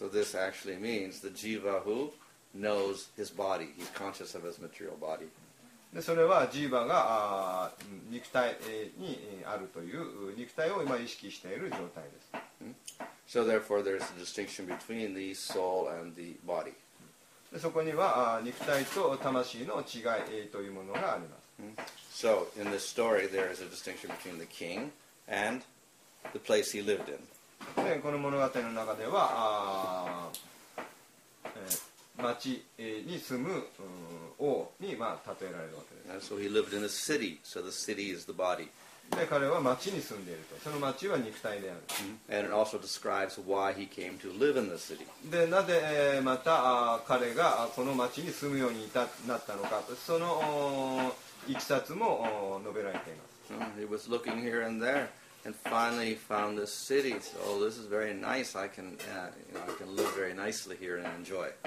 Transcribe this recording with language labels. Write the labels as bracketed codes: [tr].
[en] So this actually means the jiva who knows his body, he's conscious of his material body. [ja] でそれはジーバが肉体にあるという、肉体を今意識している状態です。 [en] So therefore there's a distinction between the soul and the body. [ja] でそこには肉体と魂の違いというものがあります。 [en] So in this story, there is a distinction between the king and the place he lived in. [ja] でこの物語の中では、町に住む王に、まあ、例えられるわけです。 [en] And so he lived in a city. So the city is the body. [ja] で彼は町に住んでいると。その町は肉体である。 [en] And it also describes why he came to live in the city. [ja] でなぜ、また彼がこの町に住むようになったのか。そのいきさつも述べられています。 [en] He was looking here and there and finally found this city. So this is very nice. I can live very nicely here and enjoy.